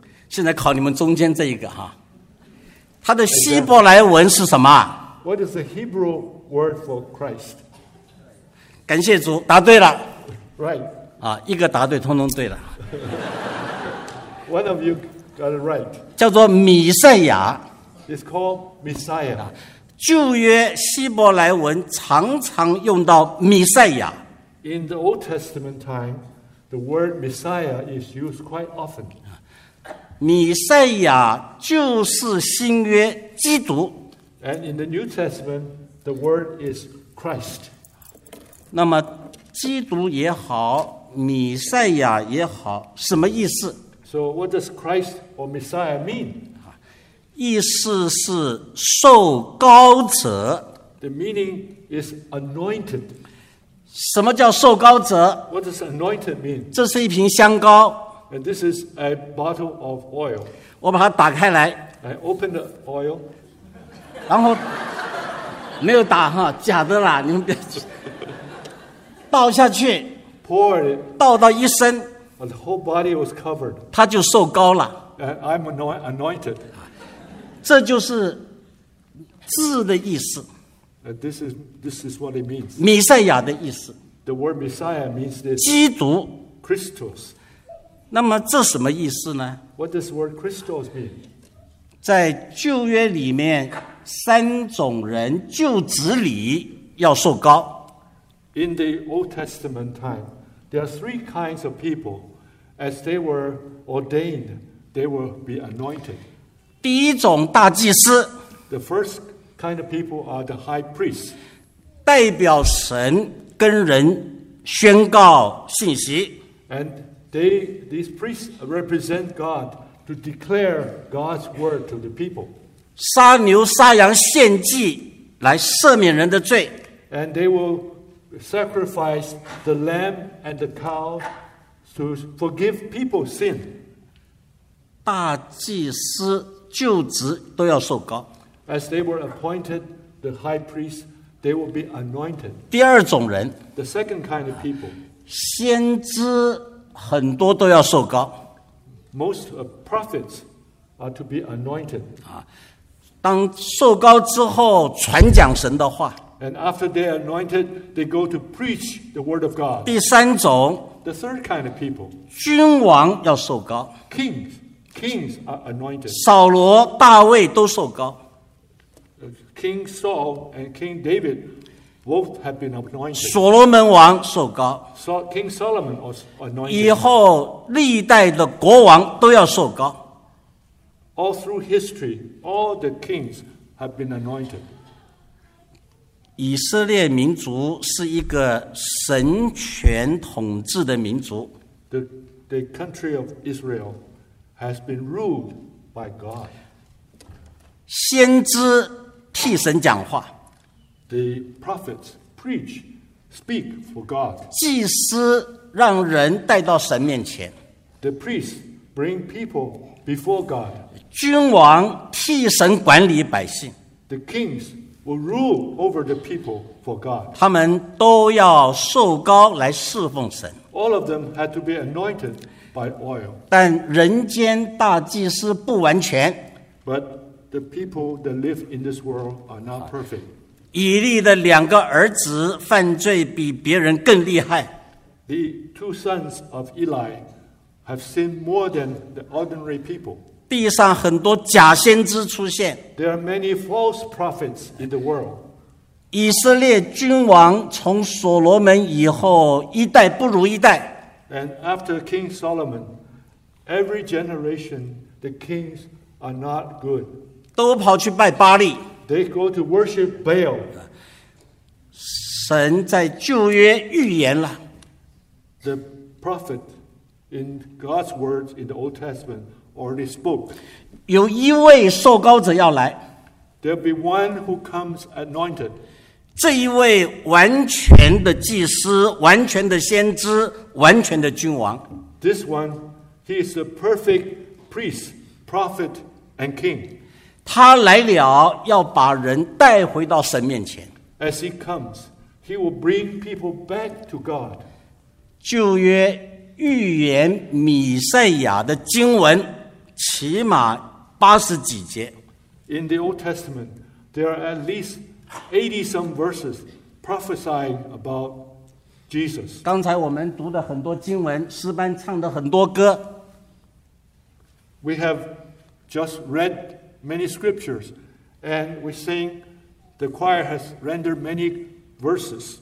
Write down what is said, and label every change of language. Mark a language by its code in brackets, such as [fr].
[zh] 现在考你们中间这一个哈，它的希伯来文是什么？ [en] What is the Hebrew word for Christ? [zh] 感谢主，答对了。 [en] Right. [zh] 啊，一个答对，通通对了。 [en] One of you got it right. [zh] 叫做弥赛亚。 [en] It's called Messiah. [zh] 旧约希伯来文常常用到弥赛亚。 [en] In the Old Testament time, the word Messiah is used quite often. [zh] 弥赛亚就是新约基督。 [en] And in the New Testament, the word is Christ. [zh] 那么基督也好，弥赛亚也好，什么意思？ [en] So what does Christ or Messiah mean? [zh] 意思是受膏者。 [en] The meaning is anointed. [zh] 什么叫受膏者？ [en] What does anointed mean? [zh] 这是一瓶香膏。 [en] And this is a bottle of oil. [zh] 我把它打开来。 [en] I open the oil. [zh] 然后没有打哈，假的啦，你们别倒下去 [en] Pour it, [zh] 倒到一身 [en] and the whole body was covered. [zh] 他就受膏了。 [en] I'm anointed. [zh] 这就是字的意思。 [en] This is what it means. [zh] 弥赛亚的意思。 [en] The word Messiah means this. [zh] 基督 [en] Christos. [zh] 那么这什么意思呢？ [en] What does the word Christos mean? [zh] 在旧约里面三种人就职礼要受膏。 [en] In the Old Testament time, there are three kinds of people. As they were ordained, they will be anointed. [zh] 第一种大祭司。 [en] The first kind of people are the high priests. [zh] 代表神跟人宣告信息。 [en] And these priests represent God to declare God's word to the people. [zh] 杀牛杀羊献祭来赦免人的罪。 [en] And they will sacrifice the lamb and the cow to forgive people's sin. [zh] 大祭司就职都要受膏。 [en] As they were appointed the high priest, they will be anointed. [zh] 第二种人 [en] The second kind of people. [zh] 先知很多都要受膏。 [en] Most prophets are to be anointed. [zh] 当受膏之后传讲神的话。 [en] And after they are anointed, they go to preach the word of God. [zh] 第三种。 [en] The third kind of people. [zh] 君王要受膏。 [en] Kings are anointed. [zh] 扫罗、大卫都受膏。 [en] King Saul and King David both have been anointed. [zh] 所罗门王受膏。 [en] King Solomon was anointed. [zh] 以后历代的国王都要受膏。 [en] All through history, all the kings have been anointed. [zh] 以色列民族是一个神权统治的民族。 [en] The country of Israel has been ruled by God. [zh] 先知替神讲话。 [en] The prophets speak for God. [zh] 祭司让人带到神面前。 [en] The priests bring people before God. [zh] 君王替神管理百姓。 [en] The kings will rule over the people for God. [zh] 他们都要受膏来侍奉神。 [en] All of them had to be anointed by oil. [zh] 但人间大祭司不完全。 [en] But the people that live in this world are not perfect. [zh] 以利的两个儿子犯罪比别人更厉害。 [en] The two sons of Eli have sinned more than the ordinary people. [zh] 地上很多假先知出现。 [en] There are many false prophets in the world. [zh] 以色列君王从所罗门以后一代不如一代。 [en] And after King Solomon, every generation, the kings are not good. [zh] 都跑去拜巴利。 [en] They go to worship Baal. [zh] 神在旧约预言了。 [en] The prophet in God's words in the Old Testament already spoke. [zh] 有一位受膏者要来。 [en] There'll be one who comes anointed. [zh] 这一位完全的祭司，完全的先知，完全的君王。 [en] This one, he is the perfect priest, prophet, and king. [zh] 他来了，要把人带回到神面前。 [en] As he comes, he will bring people back to God. [zh] 旧约预言弥赛亚的经文起码八十几节。 [en] In the Old Testament, there are at least 80 some verses prophesying about Jesus. [zh] 刚才我们读的很多经文，诗班唱的很多歌。 [en] We have just read many scriptures, and we sing, the choir has rendered many verses.